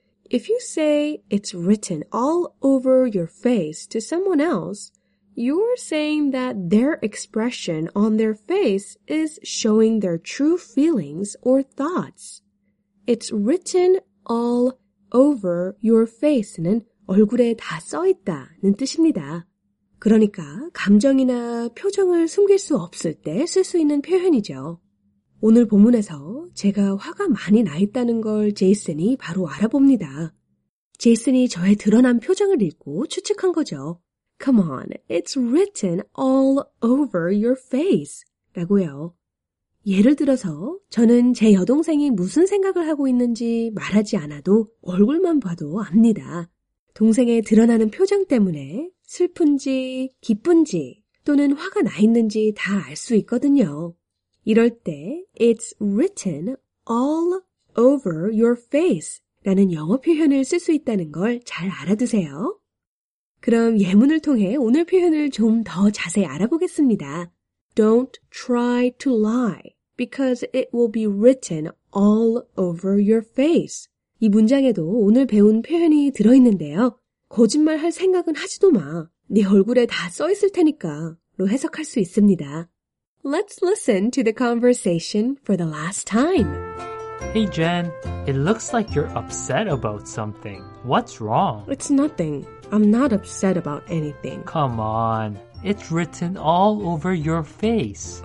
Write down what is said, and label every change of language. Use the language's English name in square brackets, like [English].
[English] If you say it's written all over your face to someone else, you're saying that their expression on their face is showing their true feelings or thoughts. It's written all over your face [Korean] 는 얼굴에 다 써 있다는 뜻입니다. 그러니까 감정이나 표정을 숨길 수 없을 때 쓸 수 있는 표현이죠. 오늘 본문에서 제가 화가 많이 나 있다는 걸 제이슨이 바로 알아봅니다. 제이슨이 저의 드러난 표정을 읽고 추측한 거죠. [English] Come on, it's written all over your face. [Korean] 라고요. 예를 들어서 저는 제 여동생이 무슨 생각을 하고 있는지 말하지 않아도 얼굴만 봐도 압니다. 동생의 드러나는 표정 때문에 슬픈지 기쁜지 또는 화가 나 있는지 다 알 수 있거든요. 이럴 때 [English] It's written all over your face [Korean] 라는 영어 표현을 쓸 수 있다는 걸 잘 알아두세요. 그럼 예문을 통해 오늘 표현을 좀 더 자세히 알아보겠습니다. [English] Don't try to lie because it will be written all over your face. [Korean] 이 문장에도 오늘 배운 표현이 들어있는데요. 거짓말할 생각은 하지도 마. 네 얼굴에 다 써 있을 테니까 로 해석할 수 있습니다. [English] Let's listen to the conversation for the last time. Hey, Jen, it looks like you're upset about something. What's wrong? It's nothing. I'm not upset about anything. Come on. It's written all over your face.